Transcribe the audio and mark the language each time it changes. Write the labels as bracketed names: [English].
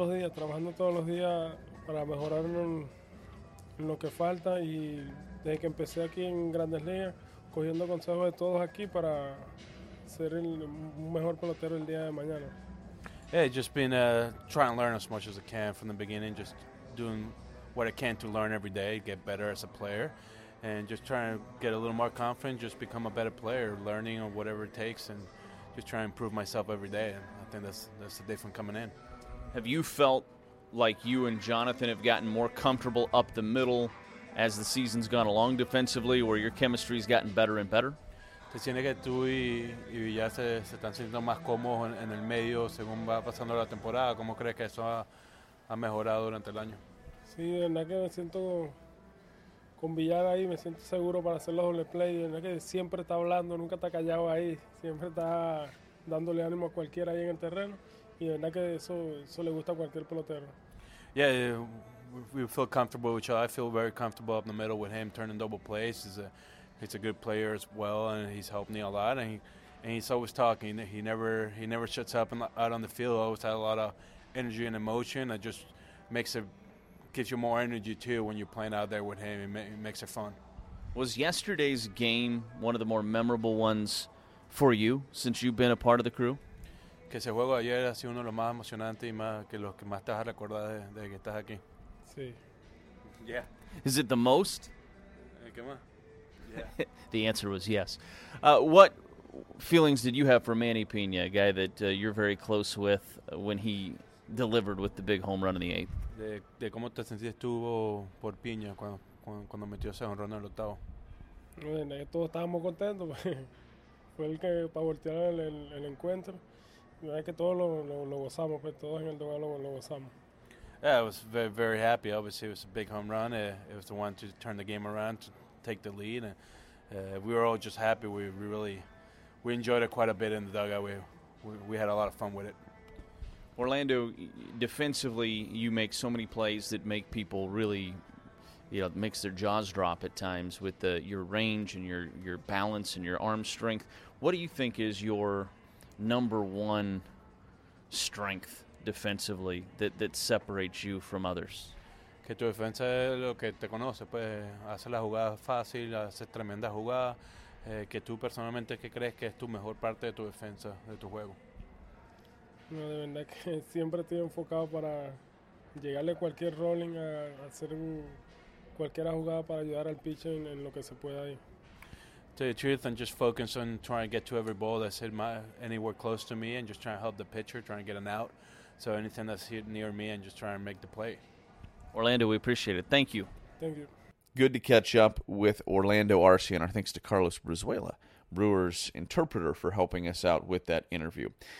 [Spanish] Trabajando todos los días para mejorar lo que falta. Y desde que empecé aquí en Grandes Ligas, cogiendo consejos de todos aquí para ser el mejor pelotero el día de mañana. [English] Yeah, just been trying to learn as much as I can from the beginning, just doing what I can to learn every day, get better as a player, and just trying to get a little more confident, just become a better player, learning or whatever it takes, and just try and improve myself every day. And I think that's the difference coming in. Have you felt like you and Jonathan have gotten more comfortable up the middle as the season's gone along defensively, where your chemistry's gotten better and better? [Spanish] ¿Te sientes que tú y Villar se están sintiendo más cómodos en el medio según va pasando la temporada? ¿Cómo crees que eso ha mejorado durante el año? Sí, de verdad que me siento con Villar ahí, me siento seguro para hacer los doble play. De verdad que siempre está hablando, nunca está callado ahí. Siempre está dándole ánimo a cualquiera ahí en el terreno. Y de verdad que eso le gusta a cualquier pelotero. [English] Yeah, we feel comfortable with each other. I feel very comfortable up in the middle with him turning double plays. He's a good player as well, and he's helped me a lot. And he's always talking. He never shuts up out on the field. Always had a lot of energy and emotion. It just gives you more energy too when you're playing out there with him. It makes it fun. Was yesterday's game one of the more memorable ones for you since you've been a part of the crew? [Spanish] Que ese juego ayer ha sido uno de los más emocionantes y más que los que más te has recordado de que estás aquí. Sí. [English] Yeah. Is it the most? [Spanish] ¿Qué más? [English] The answer was yes. What feelings did you have for Manny Pena, a guy that you're very close with, when he delivered with the big home run in the eighth? [Spanish] De cómo te sentiste tú por Pena cuando metió ese home run en el octavo. Bueno, todos estábamos contentos. Fue el que para voltear el encuentro. Yeah, que todos lo gozamos, pues todos en el duelo lo gozamos. [English] Yeah, I was very, very happy. Obviously, it was a big home run. It was the one to turn the game around, to take the lead. And we were all just happy. We really enjoyed it quite a bit in the dugout. We had a lot of fun with it. Orlando, defensively, you make so many plays that make people really, makes their jaws drop at times with your range and your balance and your arm strength. What do you think is your number one strength defensively that separates you from others? [Spanish] Que tu defensa es lo que te conoce, pues hace la jugada fácil, hace tremenda jugada. Que tú personalmente, ¿qué crees que es tu mejor parte de tu defensa, de tu juego? No, de verdad que siempre estoy enfocado para llegarle cualquier rolling, a hacer cualquier jugada para ayudar al pitcher en lo que se pueda ahí. [English] To the truth, and just focus on trying to get to every ball that's hit anywhere close to me, and just trying to help the pitcher, trying to get an out. So anything that's hit near me, and just trying to make the play. Orlando, we appreciate it. Thank you. Thank you. Good to catch up with Orlando Arcia, and our thanks to Carlos Brizuela, Brewers interpreter, for helping us out with that interview.